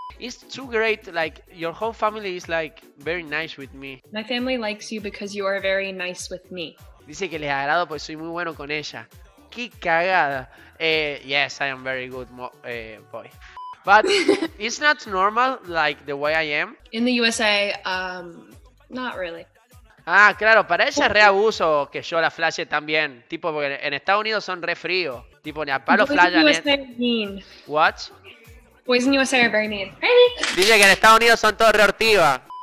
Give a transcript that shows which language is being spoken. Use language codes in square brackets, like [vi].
[en] It's too great, like, your whole family is, like, very nice with me. My family likes you because you are very nice with me. [es] Dice que les agrado porque soy muy bueno con ella. Qué cagada. [en] Yes, I am very good boy. But it's not normal, like, the way I am. In the USA, not really. [es] Ah, claro, para ella es re abuso que yo la flashe también. Tipo, porque en Estados Unidos son re frío. Tipo, ni a palo flashan. [en] Boys in USA are mean. What? Boys in USA are very mean. [es] Dice que en Estados Unidos son todos re ortiva.